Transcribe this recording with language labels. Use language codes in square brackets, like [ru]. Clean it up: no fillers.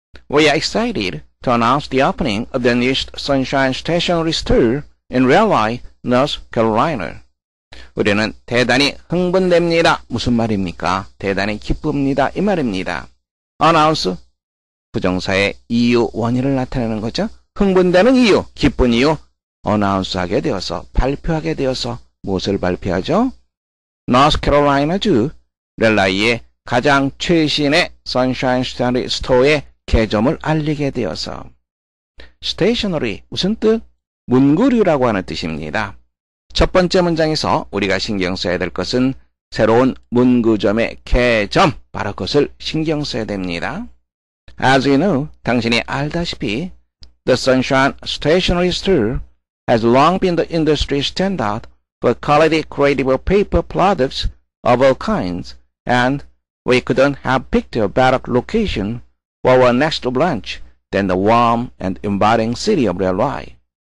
[en] We are excited to announce the opening of the new Sunshine Station Restore in Raleigh, North Carolina. [ko] 우리는 대단히 흥분됩니다. 무슨 말입니까? 대단히 기쁩니다. 이 말입니다. Announce, 부정사의 이유, 원인을 나타내는 거죠. 흥분되는 이유, 기쁜 이유. Announce 하게 되어서, 발표하게 되어서 무엇을 발표하죠? North Carolina주 랠라이의 가장 최신의 Sunshine Stationery Store의 개점을 알리게 되어서. Stationery, 무슨 뜻? 문구류라고 하는 뜻입니다. 첫 번째 문장에서 우리가 신경 써야 될 것은 새로운 문구점의 개점, 바로 그것을 신경 써야 됩니다. [en] As you know, [ko] 당신이 알다시피 [en] The Sunshine Stationery Store has long been the industry standard for quality creative paper products of all kinds, and we couldn't have picked a better location for our next branch than the warm and inviting city of Raleigh.